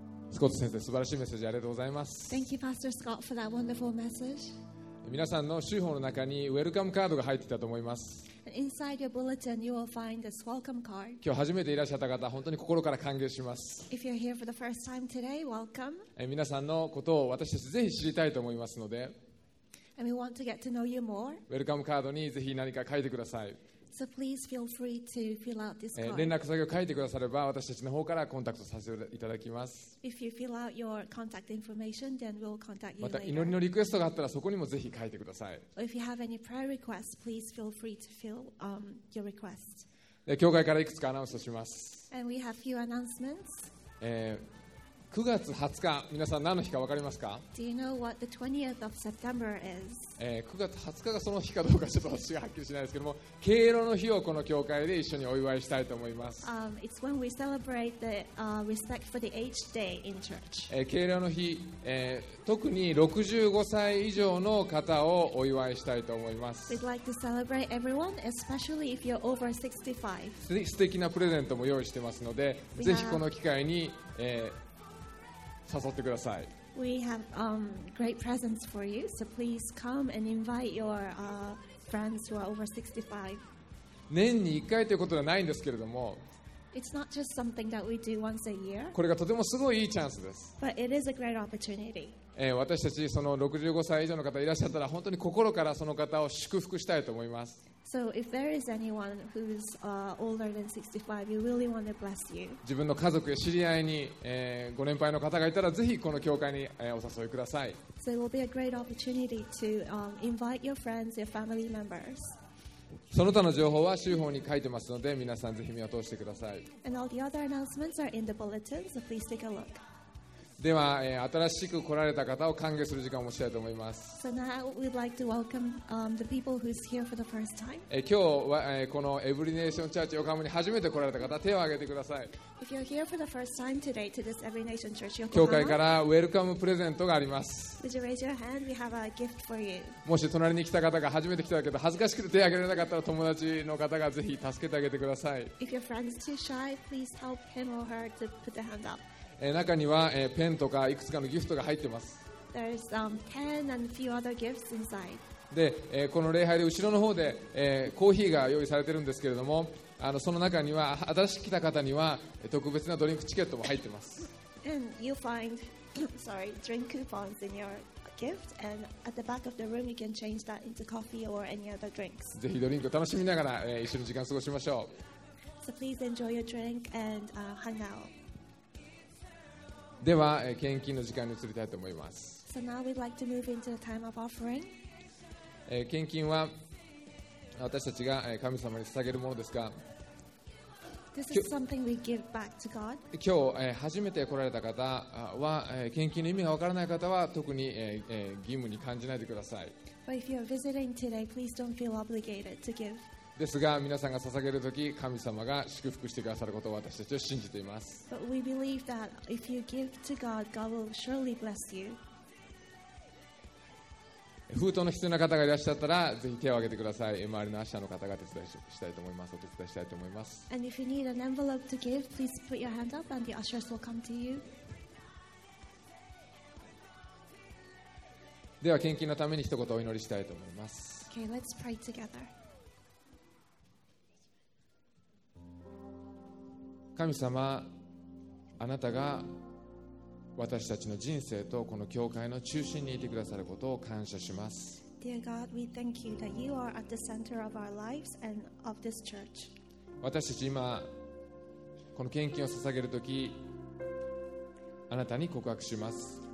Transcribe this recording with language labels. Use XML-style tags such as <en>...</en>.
<ja>スコット先生、素晴らしいメッセージありがとうございます。</ja> <en>Thank you, Pastor Scott, for that wonderful message.</en> <ja>皆さんの集報の中にウェルカムカードが入っていたと思います。</ja> <en>Inside your bulletin, you will find this welcome card.</en> <ja>今日初めていらっしゃった方、本当に心から歓迎します。</ja> <en>If you're here for the first time today, welcome.</en> <ja>皆さんのことを私たちぜひ知りたいと思いますので、</ja> <en>And we want to get to know you more.</en> <ja>ウェルカムカードにぜひ何か書いてください。</ja> <en>So please feel free to fill out this card.</en> <ja>連絡先を書いてくだされば、私たちの方からコンタクトさせていただきます。</ja> <en>If you fill out your contact information, then we'll contact you.</en> <ja>また祈りのリクエストがあったら、そこにもぜひ書いてください。</ja> <en>If you have any prayer requests, please feel free to fill your request.</en> <ja>教会からいくつかアナウンスをします。</ja> <en>And we have few announcements.</en> <ja>9月20日、皆さん何の日か分かりますか？</ja> <en>Do you know what the 20th of September is?</en> <ja>9月20日がその日かどうかちょっと私がはっきりしないですけども、敬老の日をこの教会で一緒にお祝いしたいと思います。</ja> <en>It's when we celebrate the respect for the age day in church.</en> <ja>敬老の日、特に65歳以上の方をお祝いしたいと思います。</ja> <en>We'd like to celebrate everyone, especially if you're over 65.</en> <ja>素敵なプレゼントも用意してますので、ぜひこの機会に、誘ってください。</ja> <en>We have great presents for you, so please come and invite your friends who are over 65.</en> <ja>年に1回ということではないんですけれども、</ja> <en>It's not just something that we do once a year.</en> <ja>これがとてもすごいいいチャンスです。</ja> <en>But it is a great opportunity.</en> <ja>私たちその65歳以上の方いらっしゃったら、本当に心からその方を祝福したいと思います。</ja> <en>So if there is anyone who's older than 65, you really want to bless you.</en> <ja>自分の家族や知り合いに、ご年配の方がいたら、ぜひこの教会に、お誘いください。</ja> <en>So it will be a great opportunity to invite your friends, your family members.</en> <ja>その他の情報は週報に書いてますので、皆さんぜひ見通してください。</ja> <en>And all the other announcements are in the bulletin, so please take a look.</en> <ja>では、新しく来られた方を歓迎する時間を持ちたいと思います。</ja> <en>So now we'd like to welcome the people who's here for the first time.</en> <ja>今日は、このエブリネーションチャーチ横浜に初めて来られた方、手を挙げてください。</ja> <en>If you're here for the first time today to this Every Nation Church Yokohama,</en> <ja>教会からウェルカムプレゼントがあります。</ja> <en>Would you raise your hand? We have a gift for you.</en> <ja>もし隣に来た方が初めて来たけど恥ずかしくて手を挙げられなかったら、友達の方がぜひ助けてあげてください。</ja> <en>If your friend's too shy, please help him or her to put their hand up.</en> <ja>中にはペンとかいくつかのギフトが入ってます。</ja> <en>There's pen and a few other gifts inside.</en> <ja>で、この礼拝で後ろの方でコーヒーが用意されてるんですけれども、その中には新しく来た方には特別なドリンクチケットも入ってます。</ja> <en>And you'll find, sorry, drink coupons in your gift, and at the back of the room you can change that into coffee or any other drinks.</en> <ja>ぜひドリンクを楽しみながら一緒に時間を過ごしましょう。</ja> <en>So please enjoy your drink and hang out.</en> <ja>では、献金の時間に移りたいと思います。</ja> <en>So now we'd like to move into the time of offering.</en> <ja>献金は私たちが神様に捧げるものですが、</ja> <en>This is something we give back to God.</en> <ja>今日、初めて来られた方は、献金の意味がわからない方は特に、義務に感じないでください。</ja> <en>But if you're visiting today, please don't feel obligated to give.</en> <ja>ですが、皆さんが捧げるとき、神様が祝福してくださることを私たちは信じています。</ja> <en>But we believe that if you give to God, God will surely bless you.</en> <ja>封筒の必要な方がいらっしゃったらぜひ手を挙げてください。周りのアッシャーの方が手伝いしたいと思います。お手伝いしたいと思います。</ja> <en>And if you need an envelope to give, please put your hand up and the ushers will come to you.</en> <ja>では献金のために一言お祈りしたいと思います。</ja> <en>Okay, let's pray together.</en> <ja>神様、あなたが私たちの人生とこの教会の中心にいてくださることを感謝します。</ja> <en>Dear God, we thank you that you are at the center of our lives and of this church.</en> <ja>私たち今この献金を捧げるときあなたに告白します。</ja>